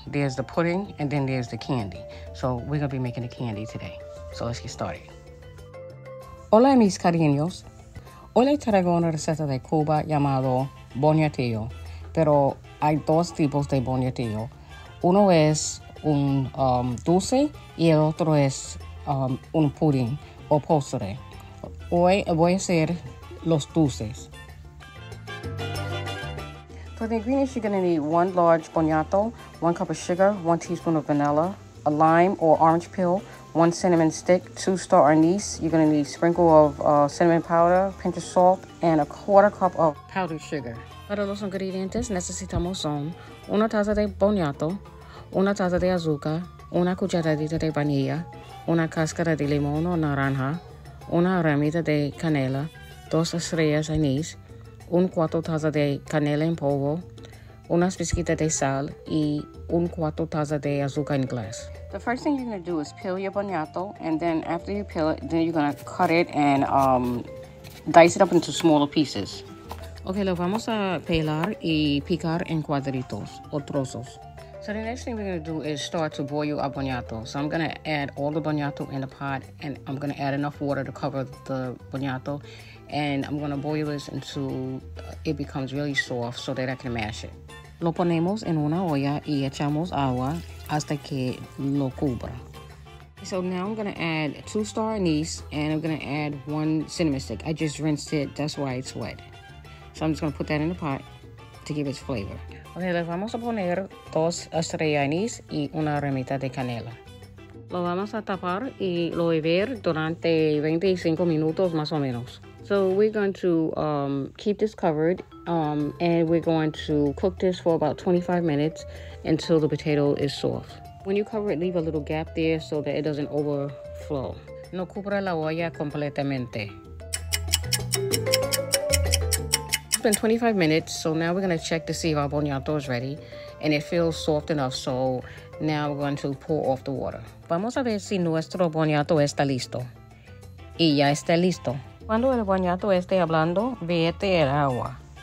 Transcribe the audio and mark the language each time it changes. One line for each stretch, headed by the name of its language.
English: There's the pudding, and then there's the candy. So, we're going to be making the candy today. So, let's get started.
Spanish: Hola, mis cariños. Hoy les traigo una receta de Cuba llamado Boniatillo. Pero hay dos tipos de Boniatillo. Uno es un dulce, y el otro es un pudding o postre. Hoy voy a hacer los dulces.
English: For the ingredients, you're going to need one large boniato, one cup of sugar, one teaspoon of vanilla, a lime or orange peel, one cinnamon stick, two star anise. You're going to need a sprinkle of cinnamon powder, pinch of salt, and a quarter cup of powdered sugar.
Spanish: Para los ingredientes, necesitamos son una taza de boniato, una taza de azúcar, una cucharadita de vainilla, una cáscara de limón o naranja, una ramita de canela, dos estrellas de anís, un cuarto taza de canela en polvo, unas pizquitas de sal y un cuarto taza de azúcar en glass.
English: The first thing you're going to do is peel your boniato, and then after you peel it, then you're going to cut it and dice it up into smaller pieces.
Spanish: Okay, lo vamos a pelar y picar en cuadritos o trozos.
English: So the next thing we're going to do is start to boil our boniato. So I'm going to add all the boniato in the pot, and I'm going to add enough water to cover the boniato, and I'm going to boil this until it becomes really soft so that I can mash it.
Spanish: Lo ponemos en una olla y echamos agua hasta que lo cubra.
English: So now I'm going to add two star anise, and I'm going to add one cinnamon stick. I just rinsed it, that's why it's wet. So I'm just going to put that in the pot to give it flavor.
Spanish: Okay, le vamos a poner dos estrellas de anís y una ramita de canela. Lo vamos a tapar y lo beber durante 25 minutos más o menos.
English: So we're going to keep this covered and we're going to cook this for about 25 minutes until the potato is soft. When you cover it, leave a little gap there so that it doesn't overflow.
Spanish: No cubra la olla completamente.
English: It's been 25 minutes, so now we're going to check to see if our boniato is ready, and it feels soft enough, so now we're going to pour off the water.
Spanish: Vamos a ver si nuestro boniato está listo. Y ya está listo. Cuando el boniato esté hablando, vierte el agua.